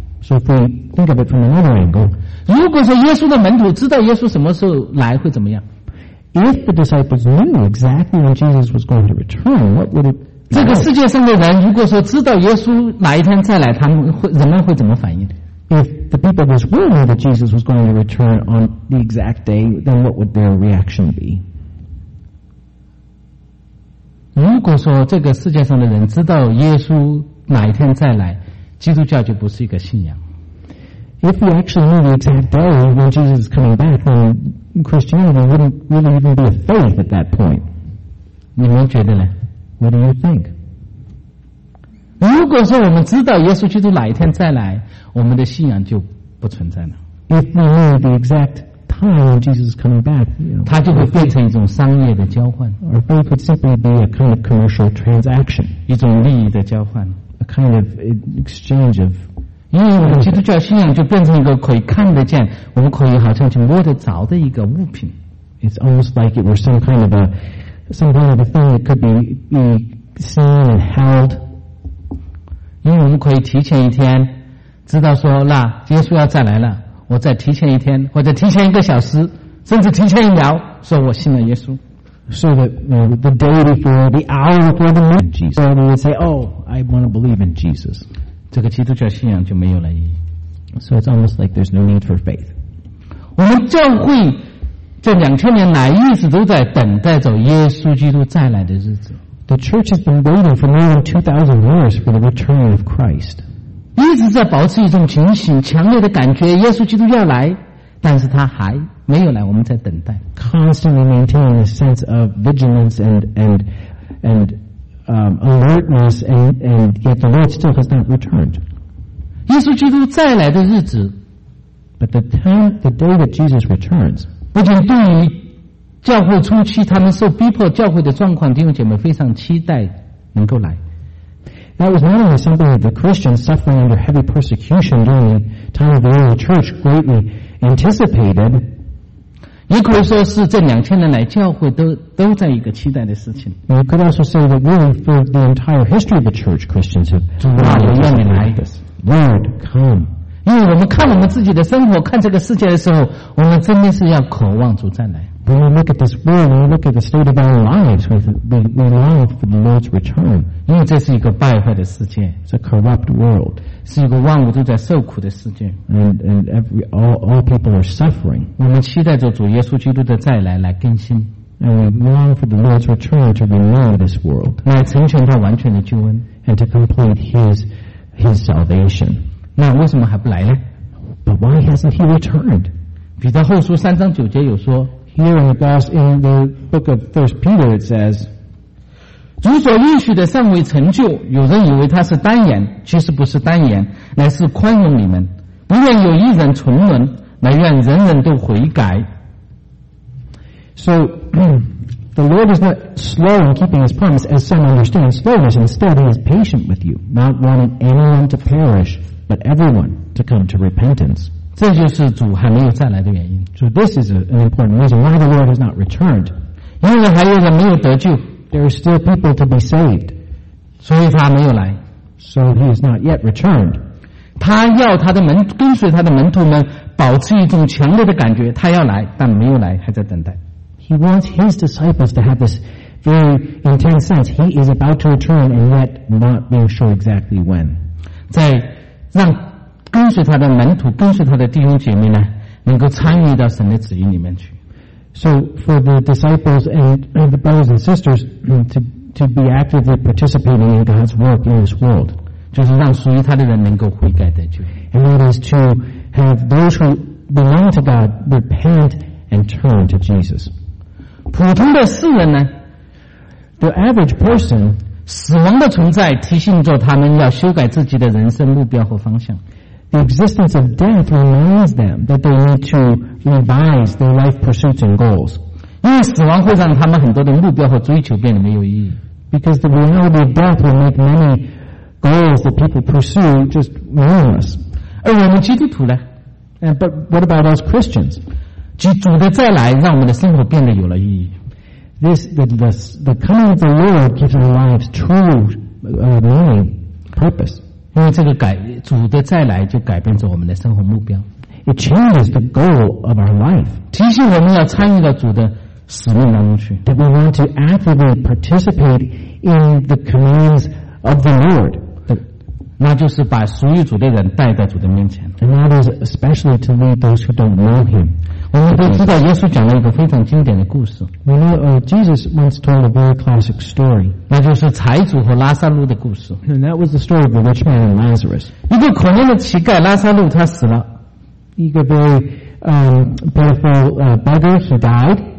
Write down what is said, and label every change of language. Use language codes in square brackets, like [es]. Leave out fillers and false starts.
[en] so if we think of it from another angle, [zh] 如果说耶稣的门徒知道耶稣什么时候来会怎么样？ [en] If the disciples knew exactly when Jesus was going to return, what would it? [zh] 这个世界上的人如果说知道耶稣哪一天再来，他们会人们会怎么反应？ [en] If the people of Israel knew that Jesus was going to return on the exact day, then what would their reaction be? [zh] 如果说这个世界上的人知道耶稣哪一天再来，基督教就不是一个信仰。 [en] If we actually knew the exact day when Jesus is coming back, then Christianity wouldn't really even be a faith at that point. [zh] 你们觉得呢？ [en] What do you think? [zh] 如果说我们知道耶稣基督哪一天再来，我们的信仰就不存在了。 [en] If we knew the exact time Jesus is coming back, you know, [zh] 就会变成一种商业的交换。 [en] Or faith would simply be a kind of commercial transaction. [zh] 一种利益的交换。 [en] A kind of exchange of. [zh] 因为我们基督教信仰就变成一个可以看得见，我们可以好像去摸得着的一个物品。 [en] It's almost like it were some kind of a thing that could be seen and held. [zh] 因为我们可以提前一天知道说那耶稣要再来了，我再提前一天或者提前一个小时甚至提前一秒说我信了耶稣。 [en] So that the day before, the hour before the moment Jesus, and we would say, oh, I want to believe in Jesus. [zh] 这个基督教信仰就没有了意义。 [en] So it's almost like there's no need for faith. [zh] 我们教会这两千年来一直都在等待着耶稣基督再来的日子。 [en] The church has been waiting for more than 2,000 years for the return of Christ. [zh] 一直在保持一种警醒，强烈的感觉耶稣基督要来，但是他还没有来，我们在等待。 [en] Constantly maintaining a sense of vigilance and alertness and yet the Lord still has not returned. [zh] 耶稣基督再来的日子， [en] But the day that Jesus returns, [zh] 不仅对于教会初期他们受逼迫教会的状况，弟兄姐妹非常期待能够来。 [en] That was not only something that the Christians suffering under heavy persecution during the time of the early church greatly anticipated. [zh] 也可以说是这两千年来教会都在一个期待的事情。 [en] You could also say that really for the entire history of the church, Christians have really anticipated this. Lord, come. [zh] 因为我们看我们自己的生活，看这个世界的时候，我们真的是要渴望主再来。 [en] When we look at this world, when we look at the state of our lives, we long for the Lord's return. Because it's a corrupt world. And all people are suffering. And we long for the Lord's return to renew this world. And to complete his salvation. But why hasn't he returned? [zh] 彼得后书三章九节有说， [en] here in the gospel, in the book of 1 Peter, it says, [zh] 主所应许的尚未成就，有人以为他是单言，其实不是单言，乃是宽容你们，不愿有一人沉沦，乃愿人人都悔改。 [en] So, the Lord is not slow in keeping his promise, as some understand slowness. Instead, he is patient with you, not wanting anyone to perish, but everyone to come to repentance. [zh] 这就是主还没有再来的原因。 [en] So this is an important reason why the Lord has not returned. [zh] 因为还有人没有得救。 [en] There are still people to be saved. [zh] 所以他没有来。 [en] So he has not yet returned. [zh] 他要他的门，跟随他的门徒们保持一种强烈的感觉，他要来，但没有来，还在等待。 [en] He wants his disciples to have this very intense sense. He is about to return and yet not being sure exactly when. [zh] 在让跟随他的门徒，跟随他的弟兄姐妹呢，能够参与到神的旨意里面去。 [en] So for the disciples and the brothers and sisters to be actively participating in God's work in this world. [zh] 就是让属于他的人能够悔改得救。 [en] And that is to have those who belong to God repent and turn to Jesus. [zh] 普通的世人呢 [en] The average person [zh] 死亡的存在提醒着他们要修改自己的人生目标和方向 [en] The existence of death reminds them that they need to revise their life pursuits and goals [zh] 因为死亡会让他们很多的目标和追求变得没有意义 [en] Because the reality of death will make many goals that people pursue just meaningless [zh] 而我们基督徒呢 [en] But what about us Christians? [zh] 主的再来让我们的生活变得有了意义 [en] The coming of the Lord gives our lives true meaning, purpose [zh] 因为这个改主的再来就改变着我们的生活目标 [en] It changes the goal of our life [zh] 提醒我们要参与到主的使命当中去 [en] That we want to actively participate in the commands of the Lord [zh] 那就是把属于主的人带到主的面前 [en] And that is especially to lead those who don't know him [zh] 我们都知道耶稣讲了一个非常经典的故事 [en] We know, Jesus once told a very classic story [zh] 那就是财主和拉撒路的故事 [en] And that was the story of the rich man and Lazarus [zh] 一个可怜的乞丐拉撒路他死了一个 [en] very pitiful beggar, he died